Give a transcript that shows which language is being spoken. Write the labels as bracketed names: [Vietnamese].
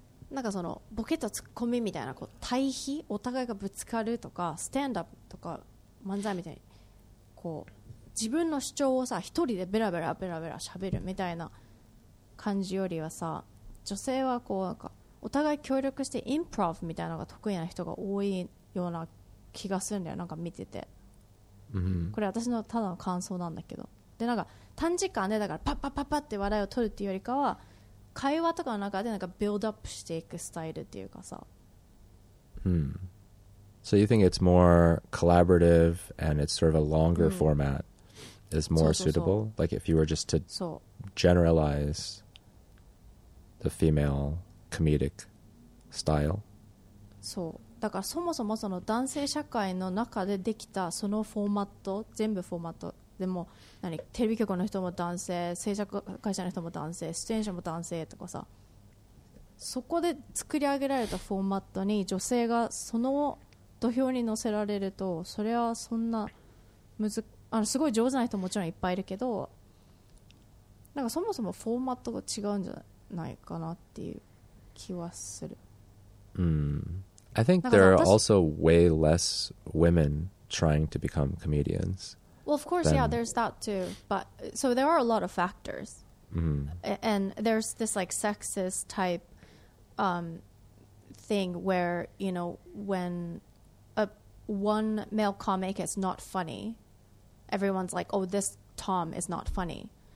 [Japanese] なんかそのボケとツッコミみたいなこう対比、お互いがぶつかるとかスタンドアップとか漫才みたいにこう自分の主張をさ一人でベラベラベラベラ喋るみたいな感じよりはさ、女性はこうなんかお互い協力してインプロフみたいなのが得意な人が多いような気がするんだよ、なんか見てて、うん、これ私のただの感想なんだけど。でなんか短時間でだからパッパッパッパッって笑いを取るっていうよりかは会話とかの中でなんかビルドアップしていくスタイルっていうかさ、 [English] うん、So you think it's more collaborative and it's sort of a longer、うん、format is more suitable? Like if you were just to generalize the female comedic style? [Japanese] そう。だからそもそもその男性社会の中でできたそのフォーマット、全部フォーマットでも何テレビ局の人も男性、制作会社の人も男性、出演者も男性とかさ、そこで作り上げられたフォーマットに女性がその土俵に乗せられると、それはそんなすごい上手な人もちろんいっぱいいるけど、なんかそもそもフォーマットが違うんじゃないかなっていう気はする。 [English] I think there are also way less women trying to become comedians. Well, of course, yeah, there's that too. But so there are a lot of factors. And there's this like sexist type thing where, you know, when one male comic is not funny, everyone's like, oh, this Tom is not funny.